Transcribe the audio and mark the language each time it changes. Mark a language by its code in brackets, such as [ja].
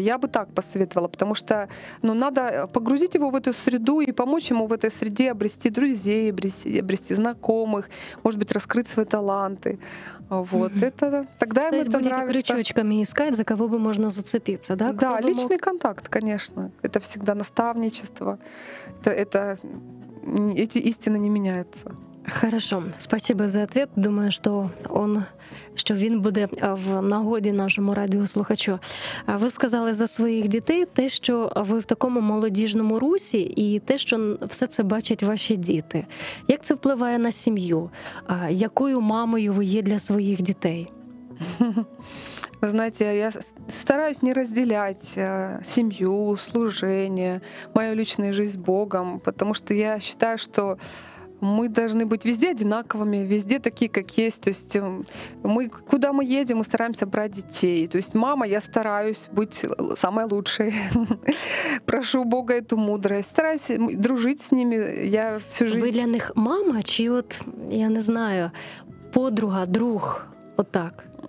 [ru] Я бы так посоветовала, потому что, ну, надо погрузить его в эту среду и помочь ему в этой среде обрести друзей, обрести знакомых, может быть, раскрыть свои таланты. Вот это тогда то есть это будете нравится. Крючочками искать, за кого бы можно зацепиться, да? Да, личный контакт, конечно. Это всегда наставничество. Это эти истины не меняются. Хорошо, спасибо за ответ. [uk] Думаю, що він буде в нагоді нашому радіослухачу. Ви сказали за своїх дітей те, що ви в такому молодіжному русі, і те, що все це бачать ваші діти. Як це впливає на сім'ю? Якою мамою ви є для своїх дітей? Ви знаєте, я стараюсь не розділяти сім'ю, служення, мою лічну життя з Богом, тому що я вважаю, що [ru] мы должны быть везде одинаковыми, везде такие, как есть. То есть мы, куда мы едем, мы стараемся брать детей. То есть мама, я стараюсь быть самой лучшей. Прошу Бога эту мудрость. Стараюсь дружить с ними. Я всю жизнь... Вы для них мама, чи вот, я не знаю, подруга, друг, вот так?